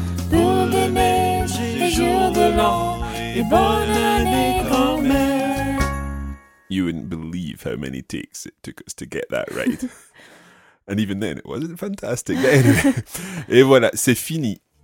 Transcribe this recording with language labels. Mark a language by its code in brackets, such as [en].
[fr] Boule de neige et jour de l'an et bonne année grand-mère. [en] You wouldn't believe how many takes it took us to get that right. And even then, it wasn't fantastic. But anyway, [fr] et voilà, c'est fini.